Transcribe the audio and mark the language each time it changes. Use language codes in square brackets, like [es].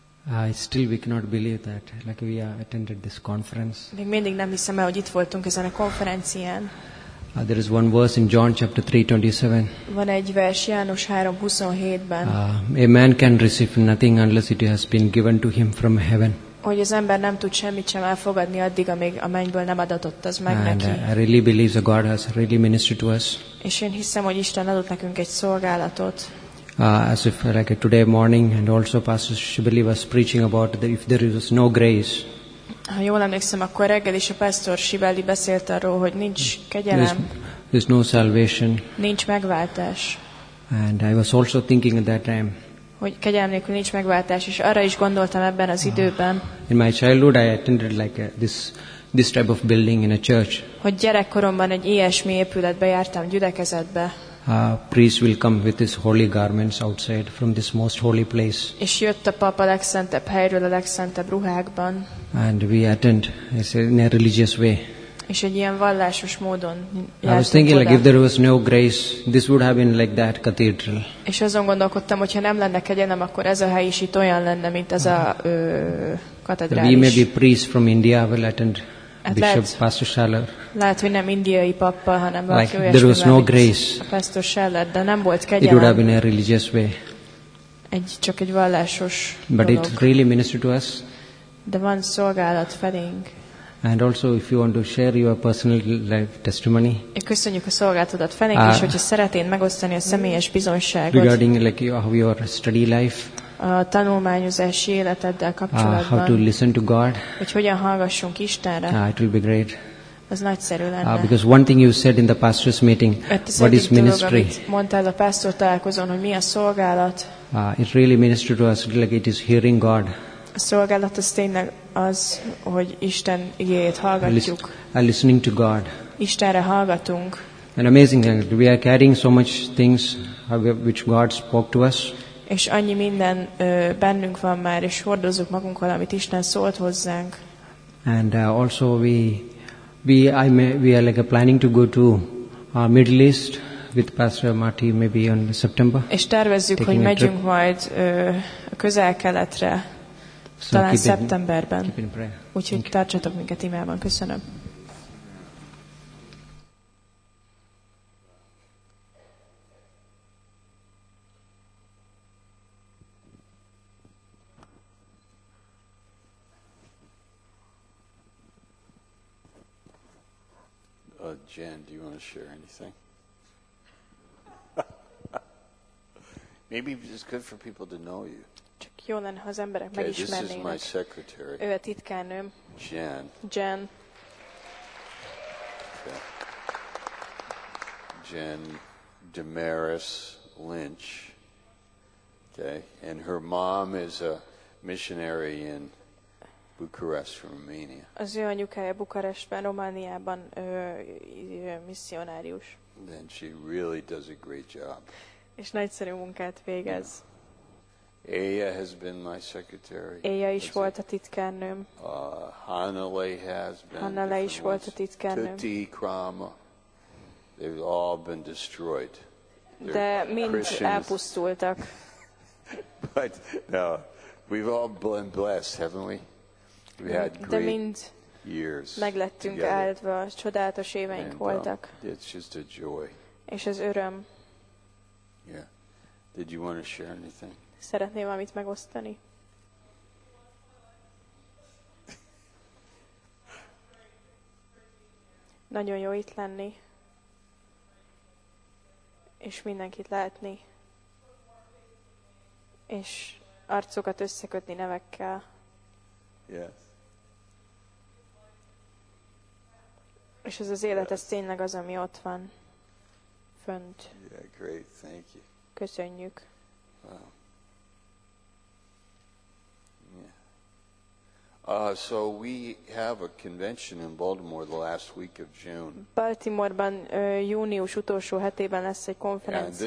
[en] I still we cannot believe that like we attended this conference. [hu] Még mindig nem hiszem el, hogy itt voltunk ezen a konferencián. [en] There is one verse in John chapter 3:27. [hu] Van egy vers János 3:27-ben. [en] A man can receive nothing unless it has been given to him from heaven. [hu] Hogy az ember nem tud semmit sem elfogadni addig, amíg a mennyből nem adatott az meg [en] and [hu] neki. [en] I really believe that God has really ministered to us. [hu] És én hiszem, hogy Isten adott nekünk egy szolgálatot. [en] As if like a today morning and also Pastor Shibeli was preaching about that if there is no grace. [hu] Ha jól emlékszem, akkor reggel is a pásztor Sibeli beszélt arról, hogy nincs kegyelem. [en] There's no salvation. [hu] Nincs megváltás. [en] And I was also thinking at that time. [hu] Hogy kegyelem nélkül nincs megváltás, és arra is gondoltam ebben az időben. [en] In my childhood I attended like this type of building in a church. [hu] Hogy gyerekkoromban egy ilyesmi épületbe jártam, gyülekezetbe. [en] A priest will come with his holy garments outside from this most holy place. [hu] És jött a pap a legszentebb helyről, a legszentebb ruhákban. [en] And we attend in a religious way. [hu] És egy ilyen vallásos módon. [en] I was thinking like if there was no grace, this would have been like that cathedral. [hu] És azon gondolkodtam, hogyha nem lenne kegyelem, akkor ez a hely is itt olyan lenne, mint ez a katedrális. [en] We may be priests from India will attend. Bishop Pastor Schaller. [hu] Lehet, hogy nem indiai pappa, hanem [en] like, [hu] valaki [en] there was no grace. [hu] A Pastor Schaller, de nem volt kegyelem. [en] It would have been a religious way. [hu] Csak egy vallásos [en] But [hu] dolog. [en] It really ministered to us. [hu] De van szolgálat felénk. [en] And also if you want to share your personal life testimony. [hu] Köszönjük a szolgálatodat felénk, és hogyha szeretnéd megosztani a személyes bizonyságot. [en] Regarding like your study life. [hu] A tanulmányozási életeddel kapcsolatban. [en] How to listen to God. [hu] Hogy hogyan hallgassunk Istenre. [en] It will be great. [hu] Az nagyszerű lenne. [en] Because one thing you said in the pastor's meeting, what is ministry? [hu] Mondtál a pásztor találkozón, hogy mi a szolgálat. [en] It really ministered to us like it is hearing God. [hu] A szolgálat az tényleg az, hogy Isten igéjét hallgatjuk. [en] Listening to God. [hu] Istenre hallgatunk. [en] An amazing thing. We are carrying so much things which God spoke to us. [hu] És annyi minden bennünk van már, és hordozzuk magunkkal, amit Isten szólt hozzánk. [en] And also we are like planning to go to our Middle East with Pastor Marty maybe on September. [hu] És tervezzük, hogy megyünk [en] trip. [hu] Majd a Közel-Keletre. [en] So [hu] talán szeptemberben. Úgyhogy tartsatok minket imában. Köszönöm. [en] Jen, do you want to share anything? Maybe it's good for people to know you. [hu] Jó lenne, ha az emberek megismernének. [en] This is my secretary. [hu] Ő a titkárnőm. [en] Jen. Jen. Okay. Jen Damaris Lynch. Okay, and her mom is a missionary in Bucharest, Romania. [hu] Az ő anyukája Bukarestben, Romániában misszionárius. [en] Then she really does a great job. [hu] És nagyszerű munkát végez. [en] Aya has been my secretary. [hu] Aya is volt a titkárnőm. [en] Hanale has been. [hu] Hanale is volt a titkárnőm. Tuti Krama. [en] They've all been destroyed. They're [hu] mind elpusztultak. [en] But no, we've all been blessed, haven't we? We had great years. [hu] Meglettünk áldva, csodálatos éveink voltak. [en] It's just a joy. [hu] És ez öröm. [en] Yeah. Did you want to share anything? [hu] Szeretném valamit megosztani. Nagyon jó itt lenni. És mindenkit látni. És arcokat összekötni nevekkel. [en] Yes. [hu] És ez az élet, ez tényleg az, ami ott van. Fönt. [en] Yeah, great, thank you. [hu] Köszönjük. [en] So we have a convention in Baltimore the last week of June. [hu] Baltimoreban június utolsó hetében lesz egy konferencia.